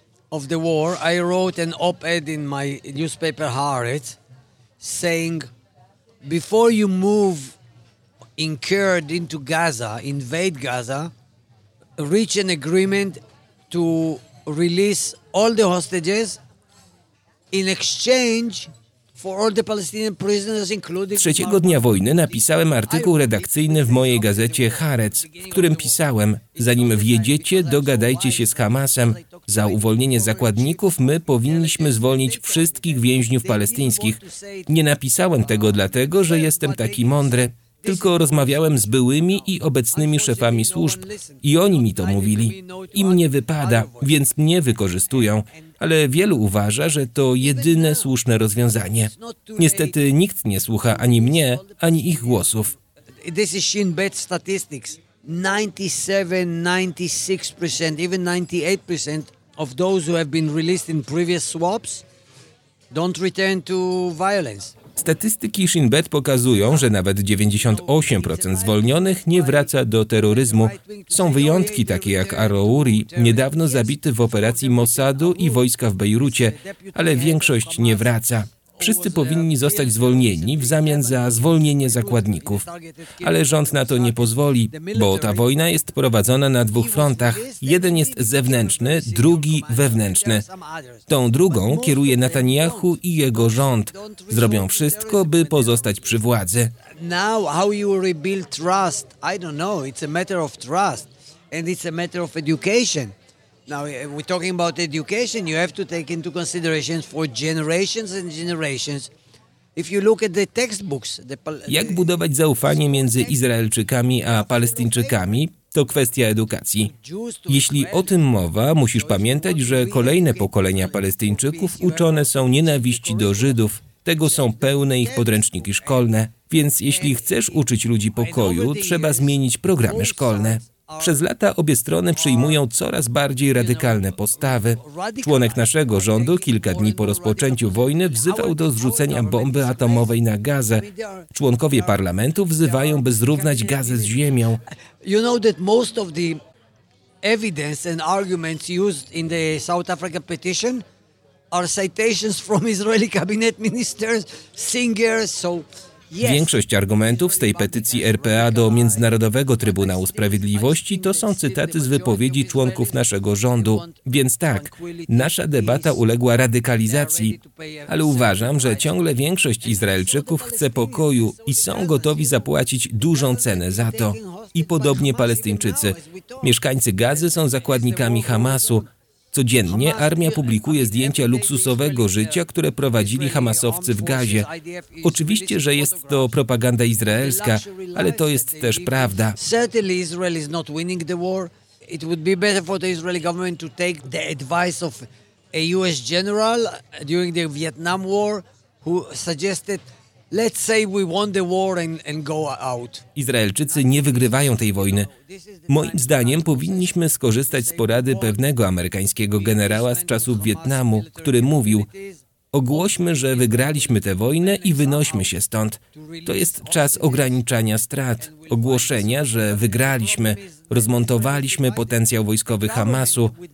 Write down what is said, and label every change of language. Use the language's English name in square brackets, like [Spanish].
[English] Of the war, I wrote an op-ed in my newspaper Haaretz saying, before you move incurred into Gaza, invade Gaza, reach an agreement to release all the hostages in exchange for all the Palestinian prisoners, including... [Polish] Trzeciego dnia wojny napisałem artykuł redakcyjny w mojej gazecie Haaretz, w którym pisałem, zanim wjedziecie, dogadajcie się z Hamasem. Za uwolnienie zakładników my powinniśmy zwolnić wszystkich więźniów palestyńskich. Nie napisałem tego dlatego, że jestem taki mądry, tylko rozmawiałem z byłymi i obecnymi szefami służb i oni mi to mówili. Im nie wypada, więc mnie wykorzystują, ale wielu uważa, że to jedyne słuszne rozwiązanie. Niestety nikt nie słucha ani mnie, ani ich głosów. [English] This is Shin Bet statistics. 97, 96%, even 98% of those who have been released in previous swaps don't return to violence. [Polish] Statystyki Shin Bet pokazują, że nawet 98% zwolnionych nie wraca do terroryzmu. Są wyjątki takie jak Arouri, niedawno zabity w operacji Mossadu i wojska w Bejrucie, ale większość nie wraca. Wszyscy powinni zostać zwolnieni w zamian za zwolnienie zakładników. Ale rząd na to nie pozwoli, bo ta wojna jest prowadzona na dwóch frontach. Jeden jest zewnętrzny, drugi wewnętrzny. Tą drugą kieruje Netanyahu i jego rząd. Zrobią wszystko, by pozostać przy władzy. [English] Now how you rebuild trust? I don't know. It's a matter of trust and it's a matter of education. Now we're talking about education. You have to take into consideration for generations and generations. If you look at the textbooks, [Polish] jak budować zaufanie między Izraelczykami a Palestyńczykami? To kwestia edukacji. Jeśli o tym mowa, musisz pamiętać, że kolejne pokolenia Palestyńczyków uczone są nienawiści do Żydów. Tego są pełne ich podręczniki szkolne. Więc jeśli chcesz uczyć ludzi pokoju, trzeba zmienić programy szkolne. Przez lata obie strony przyjmują coraz bardziej radykalne postawy. Członek naszego rządu kilka dni po rozpoczęciu wojny wzywał do zrzucenia bomby atomowej na Gazę. Członkowie parlamentu wzywają, by zrównać Gazę z ziemią. [English] You know that most of the evidence and arguments used in the South Africa petition are citations from Israeli cabinet ministers, Singers, so... [Polish] Większość argumentów z tej petycji RPA do Międzynarodowego Trybunału Sprawiedliwości to są cytaty z wypowiedzi członków naszego rządu. Więc tak, nasza debata uległa radykalizacji, ale uważam, że ciągle większość Izraelczyków chce pokoju i są gotowi zapłacić dużą cenę za to. I podobnie Palestyńczycy. Mieszkańcy Gazy są zakładnikami Hamasu. Codziennie armia publikuje zdjęcia luksusowego życia, które prowadzili Hamasowcy w Gazie. Oczywiście, że jest to propaganda izraelska, ale to jest też prawda. [English] Certainly Israel is not winning the war. It would be better for the Israeli government to take the advice of a US general during the Vietnam War who suggested, let's say we won the war and go out. [Polish] Izraelczycy nie wygrywają tej wojny. Moim zdaniem powinniśmy skorzystać z porady pewnego amerykańskiego generała z czasów Wietnamu, który mówił: ogłośmy, że wygraliśmy tę wojnę i wynośmy się stąd. To jest czas ograniczania strat, ogłoszenia, że wygraliśmy, rozmontowaliśmy potencjał wojskowy Hamasu.